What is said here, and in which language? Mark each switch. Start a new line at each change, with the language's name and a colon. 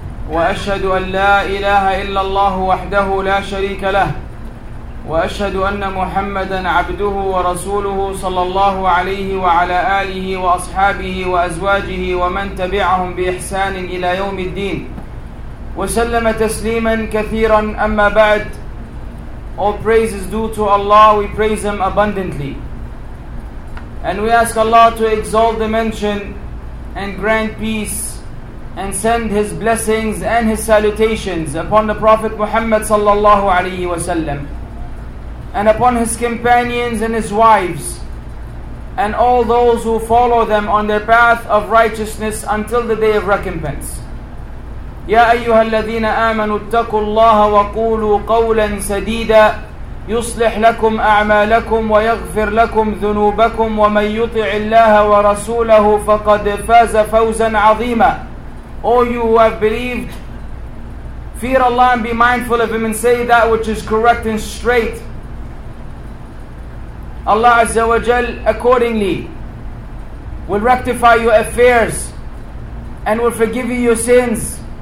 Arabic: وأشهد أن لا إله إلا الله وحده لا شريك له، وأشهد أن محمدًا عبده ورسوله صلى الله عليه وعلى آله وأصحابه وأزواجه ومن تبعهم بإحسان إلى يوم الدين وسلم تسليما كثيرا. أما بعد،
English: all praise is due to Allah, we praise Him abundantly, and we ask Allah to exalt the mention and grant peace and send His blessings and His salutations upon the Prophet Muhammad sallallahu alayhi wa sallam, and upon his companions and his wives and all those who follow them on their path of righteousness until the day of recompense.
Arabic: يا أيها الذين آمنوا اتقوا الله وقولوا قولا سديدا يصلح لكم أعمالكم ويغفر لكم ذنوبكم ومن يطع الله ورسوله فقد فاز فوزا عظيما.
English: O you who have believed, fear Allah and be mindful of Him and say that which is correct and straight. Allah Azza wa Jal accordingly will rectify your affairs and will forgive you your sins.